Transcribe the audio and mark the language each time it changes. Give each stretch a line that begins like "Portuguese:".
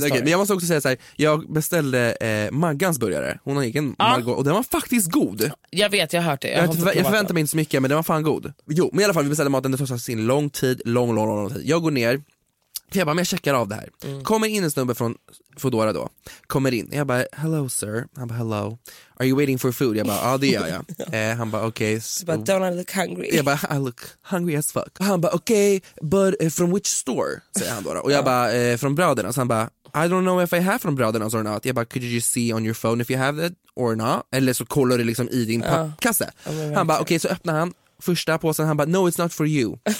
Swedish: Men jag måste också säga så här: jag beställde Maggans burgare. Hon har egen Maggo. Och den var faktiskt god. Jag vet, jag har hört det. Jag förväntar mig inte så mycket, men den var fan god. Jo, men i alla fall, vi beställde maten. Det tog sig sin lång tid. Jag går ner. Jag bara, men jag checkar av det här. Kommer in en snubbe från Fedora då. Kommer in. Jag bara,
English: hello sir.
Swedish: Han bara,
English: hello. Are you waiting for food?
Swedish: Jag bara, ja det gör jag. Han bara, okej.
English: But don't I look hungry?
Swedish: Jag bara,
English: I look hungry as fuck.
Swedish: Han bara, okej,
English: but from which store?
Swedish: Säger han då. Och jag bara, från bröderna. Så han bara,
English: I don't know if I have from bröderna or not.
Swedish: Jag bara,
English: could you just see on your phone if you have it or not?
Swedish: Eller så kollar du liksom i din kasse. Han bara, okej, så öppnar han. Första påsen, han bara,
English: no it's not for you.